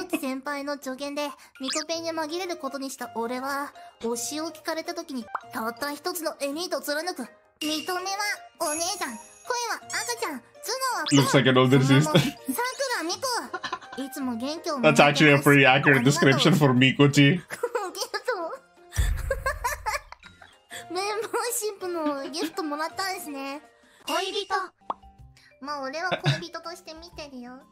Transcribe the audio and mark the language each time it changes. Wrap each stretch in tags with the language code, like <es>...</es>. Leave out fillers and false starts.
<ja>先輩の助言でミコペンに紛れることにした俺は推しを聞かれた時にたった一つのエミートを貫く認めはお姉さん声は赤ちゃん頭脳は</ja> <en>プロ Looks like an older sister</en> <ja>サクラミコいつも元気を</ja> <en>That's actually a pretty accurate description for ミコチ</en> <ja>ゲストメンバーシップのギフトもらったんですね恋人まあ俺は恋人として見てるよ</ja>